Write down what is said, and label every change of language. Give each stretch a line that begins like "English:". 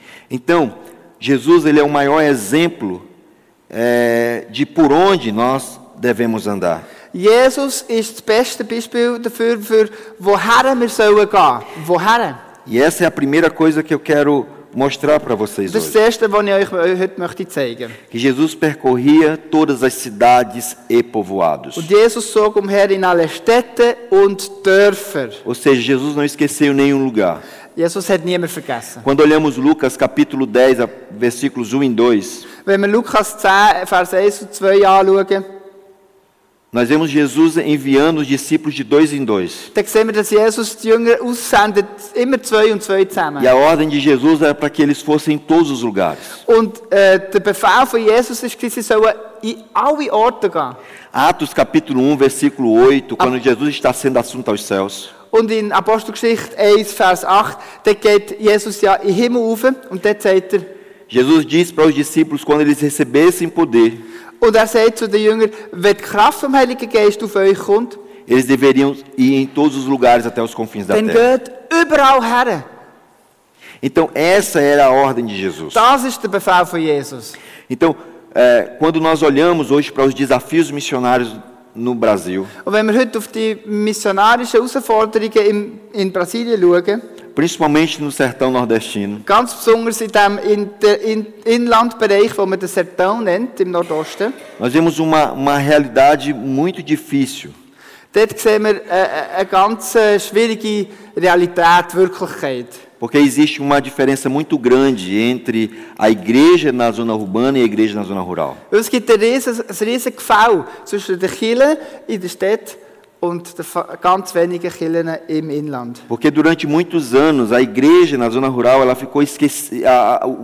Portuguese: Então, Jesus ele é o maior exemplo de por onde nós devemos andar. Jesus é o melhor exemplo de por onde nós devemos andar. E essa é a primeira coisa que eu quero mostrar para vocês
German: das
Portuguese: hoje.
German: Erste, was ich euch heute möchte zeigen.
Portuguese: Que Jesus percorria todas as cidades e povoados.
German: Und Jesus zog umher in alle Städte und Dörfer.
Portuguese: Ou seja, Jesus não esqueceu nenhum lugar.
German: Jesus hat niemand vergessen.
Portuguese: Quando olhamos Lucas capítulo 10, versículos 1 e 2.
German: Wenn wir Lukas 10, Vers 1 und 2 anschauen.
Portuguese: Nós vemos Jesus enviando os discípulos de dois em dois.
German: Dann sehen wir, dass Jesus die Jünger aussendet, immer zwei und zwei zusammen.
Portuguese: E a ordem de Jesus era para que eles fossem em todos os lugares.
German: Und der Befehl von Jesus ist, dass sie sollen in alle Orte gehen.
Portuguese: Atos capítulo 1, versículo 8, quando Jesus está sendo assunto aos céus.
German: Und in Apostelgeschichte 1, Vers 8, da geht Jesus ja in Himmel auf und dort sagt er,
Portuguese: Jesus diz para os discípulos quando eles recebessem poder.
German: Und er sagt zu den Jüngern, wenn die Kraft vom Heiligen Geist auf euch kommt,
Portuguese: eles deveriam ir em todos os lugares até os confins da
German: dann
Portuguese: terra.
German: Geht überall her.
Portuguese: Então, essa era a ordem de Jesus.
German: Das ist der Befehl von Jesus.
Portuguese: Então, quando nós olhamos hoje para os desafios missionários no Brasil,
German: und wenn wir heute auf die missionarischen Herausforderungen in Brasilien schauen,
Portuguese: principalmente no sertão nordestino.
German: Ganz besonders in dem Inlandbereich, wo man den Sertão nennt, im Nordosten.
Portuguese: Nós vemos uma realidade muito difícil.
German: Dort sehen wir eine ganz schwierige Realität, Wirklichkeit.
Portuguese: Porque existe uma diferença muito grande entre a igreja na zona urbana e a igreja na zona rural.
German: Es gibt ein riesiges Gefäll zwischen der Kirche in der Stadt und ganz wenige Kirchen im Inland.
Portuguese: Porque durante muitos anos a igreja na zona rural ela ficou esquecida,